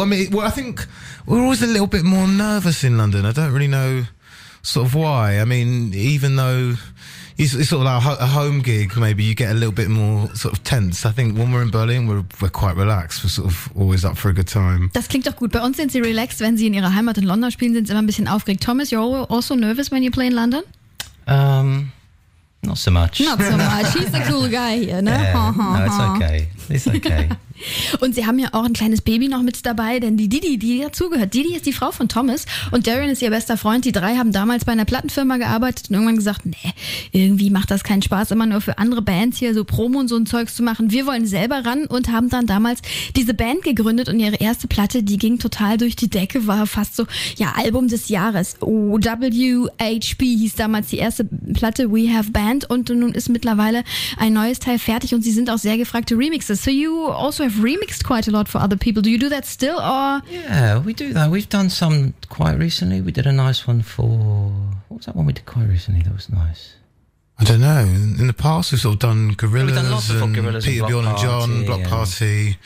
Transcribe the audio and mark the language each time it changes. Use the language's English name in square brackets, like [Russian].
[English] I mean, well, I think we're always a little bit more nervous in London. I don't really know sort of why. I mean, even though it's sort of like a home gig, maybe you get a little bit more sort of tense. I think when we're in Berlin, we're quite relaxed. We're sort of always up for a good time. [German] Das klingt doch gut. Bei uns sind sie relaxed, wenn sie in ihrer Heimat in London spielen, sind sie immer ein bisschen aufgeregt. [English] Thomas, you're also nervous when you play in London? Not so much. Not so much. He's a cool guy here, ne? No, it's okay. It's okay. [German] Und sie haben ja auch ein kleines Baby noch mit dabei, denn die Didi, die dazugehört. Didi ist die Frau von Thomas und Darren ist ihr bester Freund. Die drei haben damals bei einer Plattenfirma gearbeitet und irgendwann gesagt, nee, irgendwie macht das keinen Spaß, immer nur für andere Bands hier so Promo und so ein Zeugs zu machen. Wir wollen selber ran und haben dann damals diese Band gegründet und ihre erste Platte, die ging total durch die Decke, war fast so, ja, Album des Jahres. WHB hieß damals die erste Platte, We Have Band, und nun ist mittlerweile ein neues Teil fertig und sie sind auch sehr gefragte Remixes. [English] So you also have remixed quite a lot for other people. Do you do that still? Or yeah, we do that. We've done some quite recently. We did a nice one for... What was that one we did quite recently that was nice? I don't know. In the past, we've sort of done Gorillaz. We've done lots and before Gorillaz. Peter, and Bjorn, Party, and John, Block and Party.